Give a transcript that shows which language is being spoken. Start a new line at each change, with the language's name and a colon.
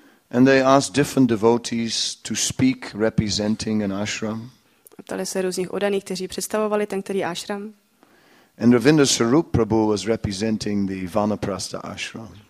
English: And they asked different devotees to speak representing an ashram.
Czech: Ptali se různých odaných, kteří představovali ten který ashram.
English: And Ravindra Swarup Prabhu was representing the Vanaprastha ashram.